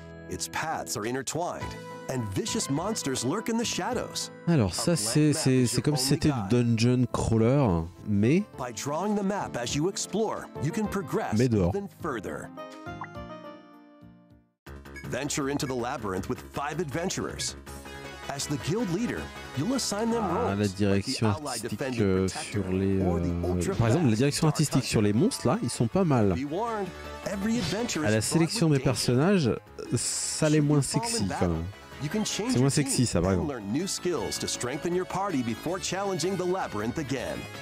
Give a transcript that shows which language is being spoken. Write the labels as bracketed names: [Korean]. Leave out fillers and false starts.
[English] Its paths are intertwined, and vicious monsters lurk in the shadows. [French] Alors ça, c'est comme si c'était du dungeon crawler, mais... [English] By drawing the map as you explore, you can progress even further. Venture into the labyrinth with five adventurers. As the guild leader, you'll assign them roles. [French] Ah, la direction artistique sur les par exemple, la direction artistique sur les monstres là, ils sont pas mal. À la sélection des personnages, ça l'est moins sexy quand même. C'est moins sexy ça par exemple. [English] New skills to strengthen your party before challenging the labyrinth again.